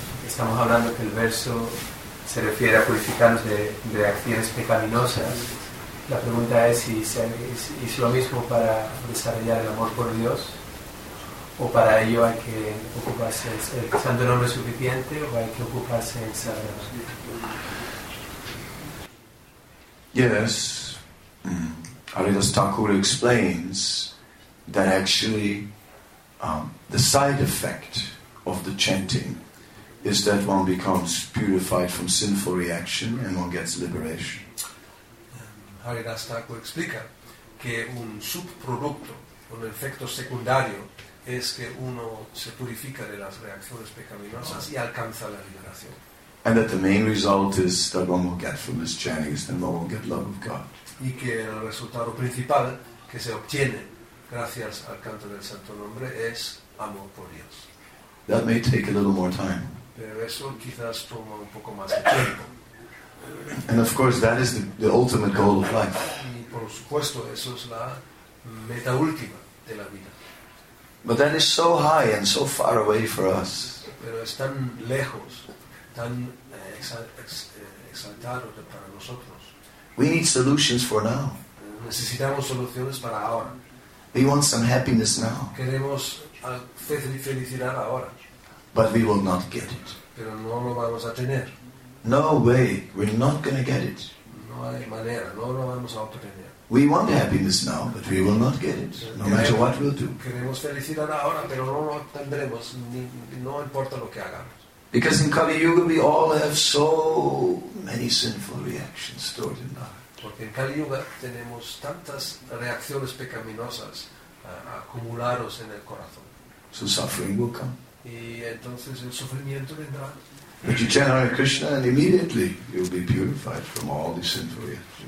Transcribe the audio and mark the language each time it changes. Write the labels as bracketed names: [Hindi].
[Spanish] Estamos hablando que el verso se refiere a purificarnos de acciones pecaminosas. La pregunta es si es lo mismo para desarrollar el amor por Dios o para ello hay que ocuparse el santo nombre suficiente o hay que ocuparse en sagrado. [English] Yes. Haridas Thakur explains that actually the side effect of the chanting is that one becomes purified from sinful reaction and one gets liberation. [Spanish] Haridas Thakur explica que un subproducto, un efecto secundario, es que uno se purifica de las reacciones pecaminosas y alcanza la liberación. [English] And that the main result is that one will get from this chanting is that one will get love of God. [Spanish] Y que el resultado principal que se obtiene gracias al canto del Santo Nombre es amor por Dios. [English] That may take a little more time. [Spanish] Pero eso quizás toma un poco más de tiempo. [English] And of course that is the ultimate goal of life. [Spanish] Y por supuesto eso es la meta última de la vida. [English] But that is so high and so far away for us. [Spanish] Pero es tan lejos, tan exaltado para nosotros. [English] We need solutions for now. [Spanish] Necesitamos soluciones para ahora. [English] We want some happiness now. [Spanish] Queremos felicidad ahora. [English] But we will not get it. [Spanish] Pero no lo vamos a tener. [English] No way. We're not going to get it. [Spanish] No hay manera. No lo vamos a obtener. [English] We want happiness now, but we will not get it, no matter what we'll do. [Spanish] Queremos felicidad ahora, pero no lo obtendremos. No importa lo que hagamos. [English] Because in Kali Yuga we all have so many sinful reactions stored in our heart. [Spanish] Porque en Kali Yuga tenemos tantas reacciones pecaminosas acumulados en el corazón. [English] So suffering will come. [Spanish] Y entonces el sufrimiento vendrá. [English] But you chant Hare Krishna and immediately you'll be purified from all these sinful reactions.